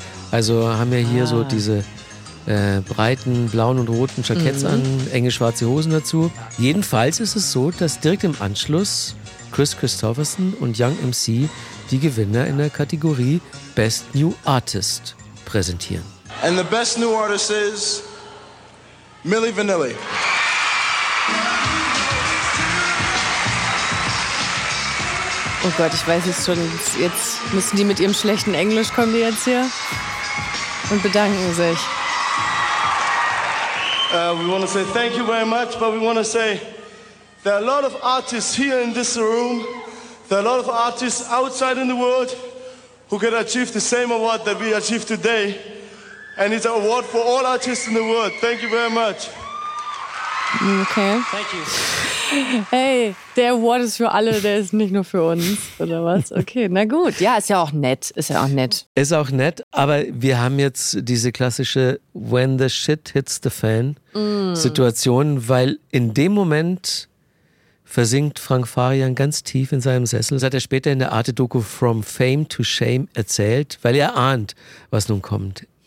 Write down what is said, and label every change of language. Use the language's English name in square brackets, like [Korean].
[German] Also haben wir hier so diese breiten blauen und roten Jackets an, enge schwarze Hosen dazu. Jedenfalls ist es so, dass direkt im Anschluss Kris Kristofferson und Young MC die Gewinner in der Kategorie Best New Artist präsentieren. [English] And the best new artist is Milli Vanilli. [German] Oh Gott, ich weiß es schon. Jetzt müssen die mit ihrem schlechten Englisch kommen, die jetzt hier. Und bedanken sich. [English] We want to say thank you very much, but we want to say there are a lot of artists here in this room. There are a lot of artists outside in the world who can achieve the same award that we achieved today. And it's an award for all artists in the world. Thank you very much. Okay. Thank you. [German] Hey, der Award ist für alle, der ist nicht nur für uns, oder was? Okay, na gut. Ja, ist ja auch nett, ist ja auch nett. Ist auch nett, aber wir haben jetzt diese klassische [English] When the shit hits the fan- [German] Situation, weil in dem Moment versinkt Frank Farian ganz tief in seinem Sessel. Das hat er später in der Arte-Doku From Fame to Shame erzählt, weil er ahnt, was nun kommt.